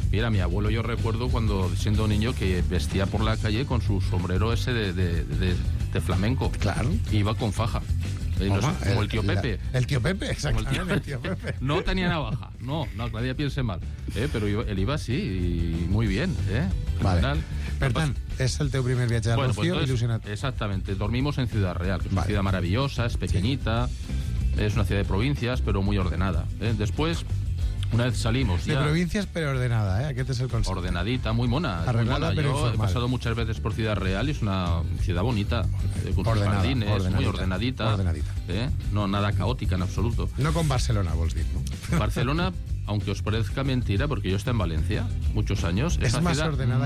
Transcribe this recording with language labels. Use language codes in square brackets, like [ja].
[es] Mira, mi abuelo, yo recuerdo cuando, siendo niño, que vestía por la calle con su sombrero ese de flamenco. Claro. Y iba con faja. Como el tío Pepe. El tío Pepe, exactamente. El tío Pepe. No tenía navaja. No, nadie piense mal. Pero él iba así, y muy bien, Vale. [ca] Per tant, és el teu primer viatge al Rocío, il·lusionat. [es] Exactament, dormimos en Ciudad Real, [ca] que és [es] una ciudad maravillosa, és pequeñita, és una ciudad de provincias, però muy ordenada. Después, una vez salimos... [ca] De provincias, però ordenada, aquest és el concepte. [es] Ordenadita, muy mona. [ca] Arreglada, però informal. [es] Yo he pasado muchas veces por Ciudad Real y es una ciudad bonita. Ordenada, ordenadita. Muy ordenadita. No, nada caótica en absoluto. [ca] No con Barcelona, vols dir, no? Barcelona... [es] Aunque os parezca mentira, porque yo estoy en Valencia muchos años. Es más ordenada.